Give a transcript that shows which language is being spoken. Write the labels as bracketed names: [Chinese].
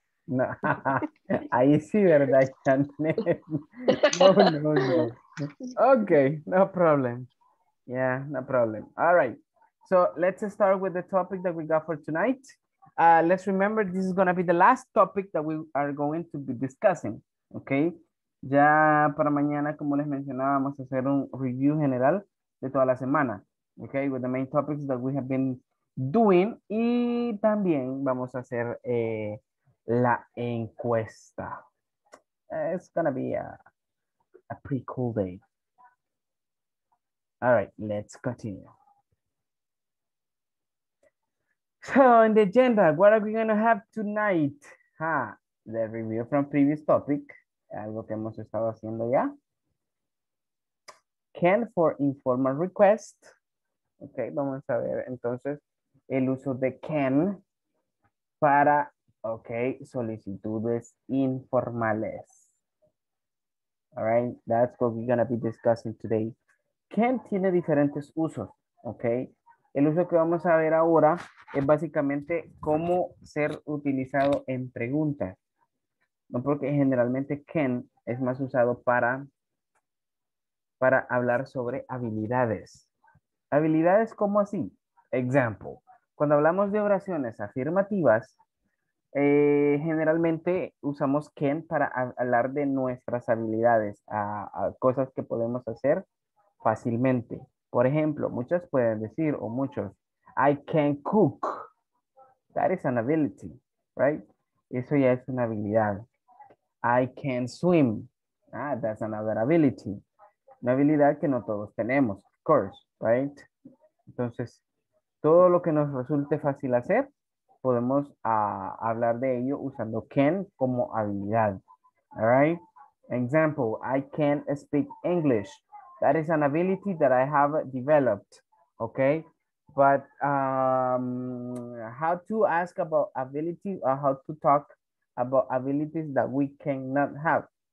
[Spanish] No. Ahí sí, ¿verdad? No. [English] Okay, no problem. Yeah, no problem. All right. So let's start with the topic that we got for tonight. Let's remember, this is going to be the last topic that we are going to be discussing, okay? [Spanish] Ya para mañana, como les mencionaba, vamos a hacer un review general de toda la semana, okay? [English] With the main topics that we have been doing. [Spanish] Y también vamos a hacer la encuesta. [English] It's going to be a pretty cool day. All right, let's continue. So in the agenda, what are we going to have tonight? The review from previous topic. [Spanish] Algo que hemos estado haciendo ya. [English] Can for informal request. [Spanish] Okay, vamos a ver entonces el uso de can para, okay, solicitudes informales. [English] All right, that's what we're going to be discussing today. [Spanish] Can tiene diferentes usos, okay? El uso que vamos a ver ahora es básicamente cómo ser utilizado en preguntas. No, porque generalmente can es más usado para hablar sobre habilidades. ¿Habilidades cómo así? Example. Cuando hablamos de oraciones afirmativas, generalmente usamos can para hablar de nuestras habilidades, a cosas que podemos hacer fácilmente. Por ejemplo, muchas pueden decir, o muchos, [English] I can cook. That is an ability, right? [Spanish] Eso ya es una habilidad. [English] I can swim. Ah, that's another ability. [Spanish] Una habilidad que no todos tenemos, [English] of course, right? [Spanish] Entonces, todo lo que nos resulte fácil hacer, podemos hablar de ello usando can como habilidad. [English] All right? Example, I can speak English. That is an ability that I have developed, okay? But how to ask about ability, or how to talk about abilities that we cannot have.